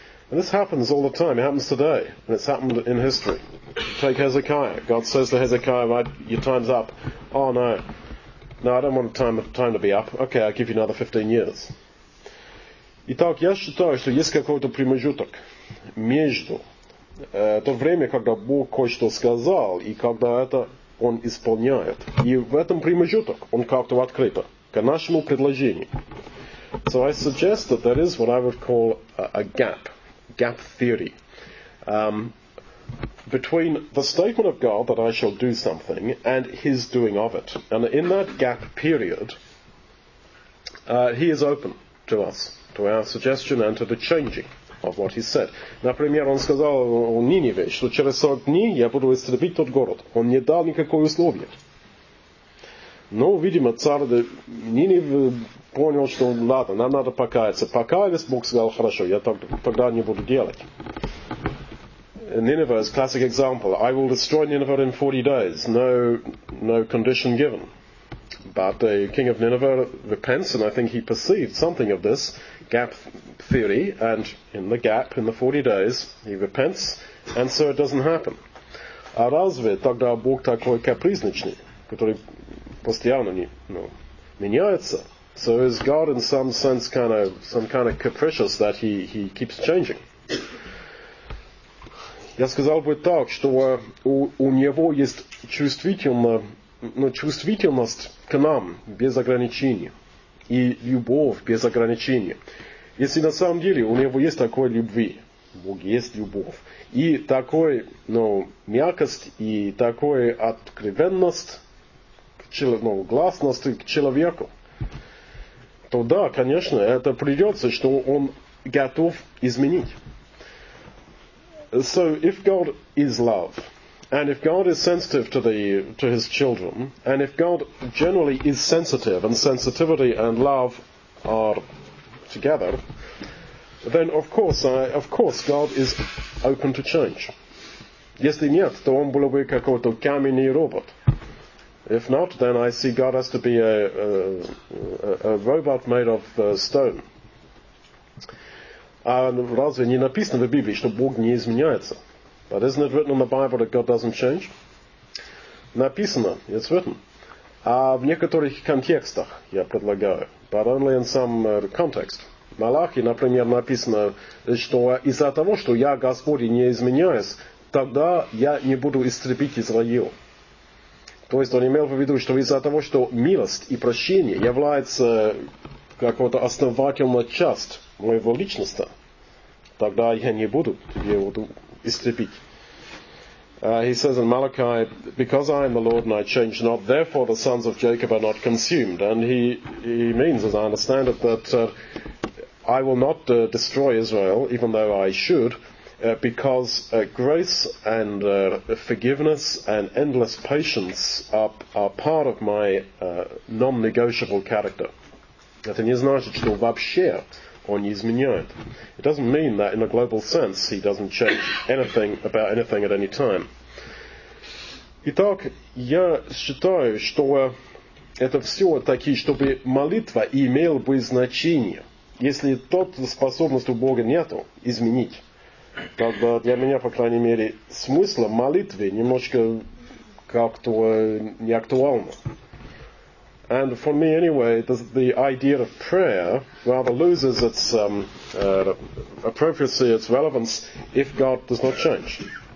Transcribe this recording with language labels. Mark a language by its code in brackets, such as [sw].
[en] And this happens all the time. It happens today. And it's happened in history. Take Hezekiah. God says to Hezekiah, right, your time's up. Oh, no. No, I don't want time to be up. Okay, I'll give you another 15 years. [ru] Итак, я считаю, что есть какой-то промежуток между то время, когда Бог кое-что сказал, и когда это он исполняет. И в этом промежуток он как-то открыт к нашему предложению. [en] So I suggest that there is what I would call a gap theory, between the statement of God that I shall do something and his doing of it. And in that gap period, he is open to us, to our suggestion and to the changing of what he said. [ru] Например, он сказал о Ниневе, что через 40 дней я буду истребить тот город. Он не дал никакого условия. Но, видимо, царь Ниневе понял, что ладно, нам надо покаяться. Покаялись, Бог сказал, хорошо, я тогда не буду делать. [en] Ниневе is a classic example. I will destroy Nineveh in 40 days. No condition given. But the king of Nineveh repents, and I think he perceived something of this gap theory, and in the gap, in the 40 days, he repents, and so it doesn't happen. [ru] А разве тогда Бог такой капризничный, который постоянно меняется? [en] So is God in some sense kind of capricious that he keeps changing? [ru] Я сказал бы так, что у него есть чувствительность к нам без ограничений и любовь без ограничений. Если на самом деле у него есть такой любви, Бог есть любовь, и такой, мягкость, и такой откровенность, гласность к человеку, то да, конечно, это придется, что он готов изменить. [en] So, if God is love, and if God is sensitive to his children, and if God generally is sensitive, and sensitivity and love are together, then of course God is open to change. [ru] Если нет, то он был бы какой-то каменный робот. [en] If not, then I see God has to be a robot made of stone. [ru] А разве не написано в Библии, что Бог не изменяется? [en] But isn't it written in the Bible that God doesn't change? [ru] Написано, [en] it's written. [ru] А в некоторых контекстах, я предлагаю, [en] but only in some context. [ru] Малахии, например, написано, что из-за того, что я Господь не изменяюсь, тогда я не буду истребить Израил. То есть он имел в виду, что из-за того, что милость и прощение является какой-то основательной частью моего личности, тогда я не буду его истребить. [en] He says in Malachi, because I am the Lord and I change not, therefore the sons of Jacob are not consumed. And he means, as I understand it, that I will not destroy Israel, even though I should, because grace and forgiveness and endless patience are part of my non-negotiable character. [ru] Это не значит, что вообще он не изменяет. [en] It doesn't mean that in a global sense he doesn't change anything about anything at any time. [ru] Итак, я считаю, что это все такие, чтобы молитва имела бы значение. Если тот способность у Бога нету изменить, тогда для меня, по крайней мере, смысла молитвы немножко как-то не актуально. [en] And for me anyway, the idea of prayer rather loses its appropriacy, its relevance, if God does not change.